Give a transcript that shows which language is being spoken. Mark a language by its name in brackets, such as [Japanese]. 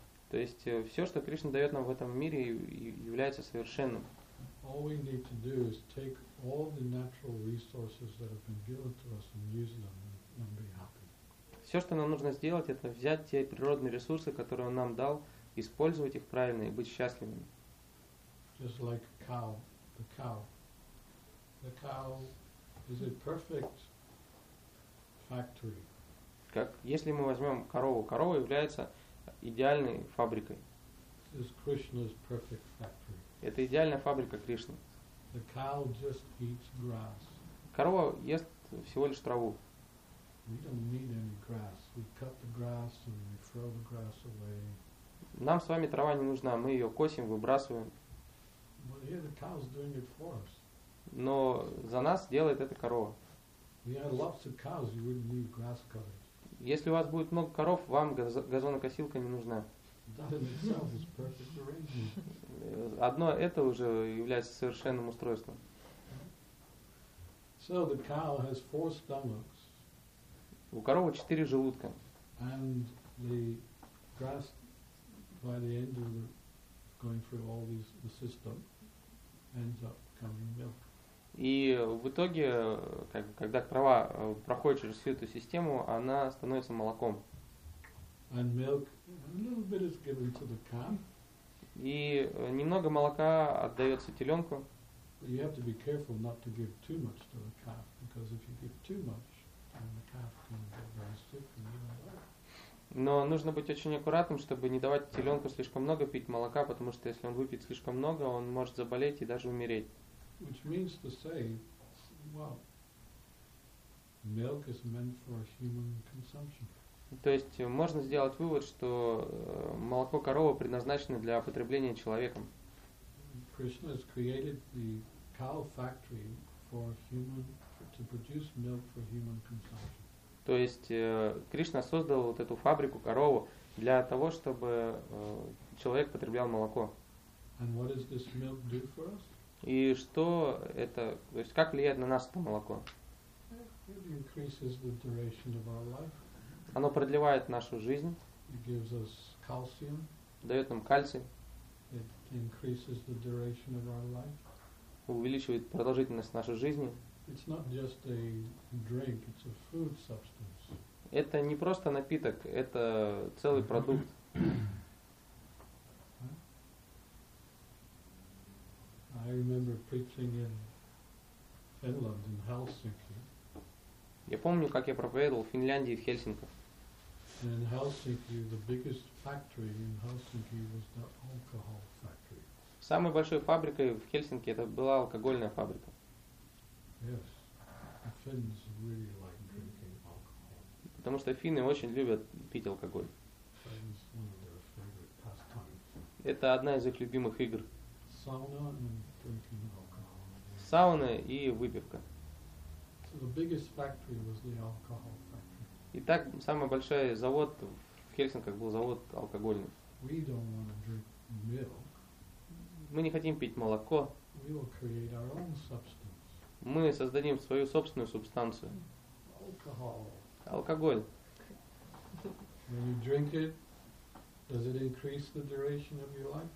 [Russian] То есть все, что Кришна дает нам в этом мире, является совершенным. [English] All we need to do is take all the natural resources that have been given to us and use them and be happy. [Russian] Все, что нам нужно сделать, это взять те природные ресурсы, которые Он нам дал, использовать их правильно и быть счастливыми. [English] Just like cow, the cow. The cow is a perfect factory. [Russian] Как если мы возьмем корову, корова является идеальной фабрикой. [English] This is Krishna's perfect factory. [Russian] Это идеальная фабрика Кришны. [English] The cow just eats grass. [Russian] Корова ест всего лишь траву. [English] We don't need any grass. We cut the grass and we throw the grass away. [Russian] Нам с вами трава не нужна, мы ее косим, выбрасываем. [English] But here the cow is doing it for us. [Russian] Но за нас делает это корова. [English] We had lots of cows, you wouldn't need grass cutters. [Russian] Если у вас будет много коров, вам газонокосилка не нужна. [English] That in itself is perfect arrangement. [Russian] Одно это уже является совершенным устройством. [English] So the cow has four stomachs. [Russian] У коровы четыре желудка. [English] And the grass by the end of the going through all these the system ends up becoming milk. [Russian] И в итоге, когда трава проходит через всю эту систему, она становится молоком. [English] And milk, a little bit is given to the cow. [Russian] И немного молока отдается теленку. [English] You have to be careful not to give too much to the calf, because if you give too much, then the calf can get very sick and you don't like it. [Russian] Но нужно быть очень аккуратным, чтобы не давать теленку слишком много пить молока, потому что если он выпьет слишком много, он может заболеть и даже умереть. [English] Which means to say, well, milk is meant for human consumption. [Russian] То есть можно сделать вывод, что молоко коровы предназначено для потребления человеком. [English] Krishna has created the cow factory for human to produce milk for human consumption. [Russian] То есть Кришна создал вот эту фабрику, корову, для того, чтобы человек потреблял молоко. [English] And what does this milk do for us? [Russian] И что это, то есть как влияет на нас это молоко? [English] It increases the duration of our life. [Russian] Оно продлевает нашу жизнь. [English] It gives us calcium. [Russian] Дает нам кальций. [English] It increases the duration of our life. [Russian] Увеличивает продолжительность нашей жизни. [English] It's not just a drink, it's a food substance. [Russian] Это не просто напиток, это целый продукт. [English] I remember preaching in Finland, in Helsinki. [Russian] Я помню, как я проповедовал в Финляндии, в Хельсинках. [English] In Helsinki, the biggest factory in Helsinki was the alcohol factory. [Russian] Самой большой фабрикой в Хельсинки это была алкогольная фабрика. [English] Yes, the Finns really like drinking alcohol. [Russian] Потому что финны очень любят пить алкоголь. [English] That is one of their favorite pastimes. [Russian] Это одна из их любимых игр. [English] Sauna and drinking alcohol. [Russian] Сауны и выпивка. [English] So the biggest factory was the alcohol. [Russian] Итак, самый большой завод в Хельсинках был завод алкогольный. [English] We don't want to drink milk. [Russian] Мы не хотим пить молоко. [English] We will create our own substance. [Russian] Мы создадим свою собственную субстанцию. [English] Alcohol. [Russian] Алкоголь. [English] When you drink it, does it increase the duration of your life?